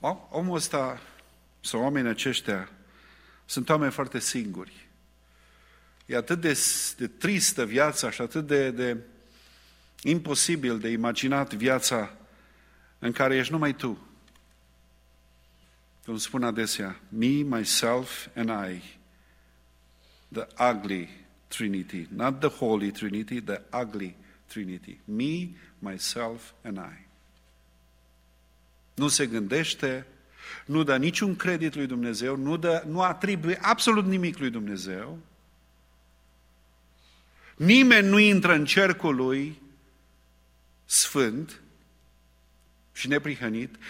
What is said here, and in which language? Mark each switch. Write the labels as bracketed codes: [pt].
[ro] Omul ăsta... sau oamenii aceștia sunt oameni foarte singuri. E atât de tristă viața și atât de imposibil de imaginat viața în care ești numai tu. Cum spun adesea, [en] me, myself and I, the ugly trinity, not the holy trinity, the ugly trinity, me, myself and I. [ro] Nu se gândește, nu dă niciun credit lui Dumnezeu, nu atribuie absolut nimic lui Dumnezeu. Nimeni nu intră în cercul lui sfânt și neprihănit.